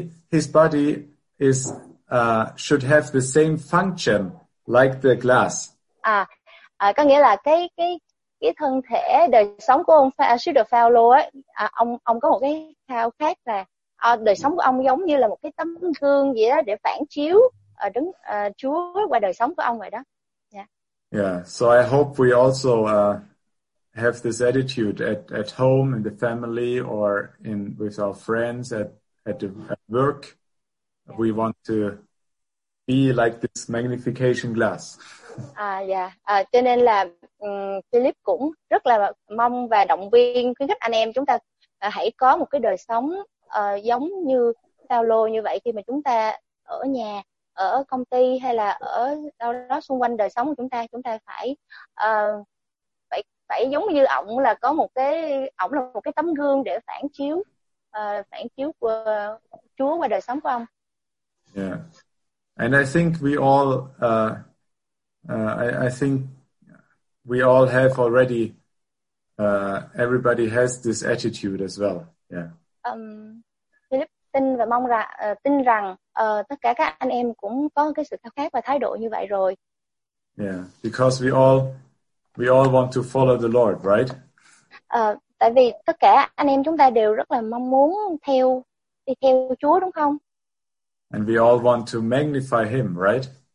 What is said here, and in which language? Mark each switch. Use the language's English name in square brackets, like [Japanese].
[English] His body is should have the same function like the glass. [Vietnamese] Có nghĩa là cái thân thể đời sống của ông sứ đồ Phaolô ấy, ông có một cái khao khát là đời sống của ông giống như là một cái tấm gương vậy đó để phản chiếu Chúa qua đời sống của ông vậy đó. [English] Yeah, so I hope we also have this attitude at home in the family or in with our friends at work. Yeah. We want to be like this magnification glass. [Vietnamese] Cho nên là Philip cũng rất là mong và động viên khuyến khích anh em chúng ta hãy có một cái đời sống giống như Paulo như vậy, khi mà chúng ta ở nhà, ở công ty hay là ở đâu đó xung quanh đời sống của chúng ta phải phải giống như ổng, là có một cái ổng là một cái tấm gương để phản chiếu của Chúa qua đời sống của ông. [English] Yeah. And I think we all I think we all have already everybody has this attitude as well. Yeah. [Vietnamese] Philip tin và mong rằng tin rằng tất cả các anh em cũng có cái sự khác và thái độ như vậy rồi. [English] Yeah, because we all want to follow the Lord, right? [Vietnamese] Tại vì tất cả anh em chúng ta đều rất là mong muốn đi theo Chúa, đúng không? [English] And we all want to magnify him, right?